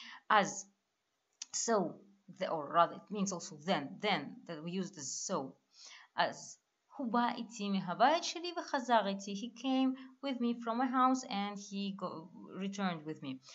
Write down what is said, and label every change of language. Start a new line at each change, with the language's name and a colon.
English: As, so, or rather, it means also then, that we used as so. As,
Hebrew: הוא בא איתי מהבית שלי וחזר איתי.
English: He came with me from my house and he returned with me.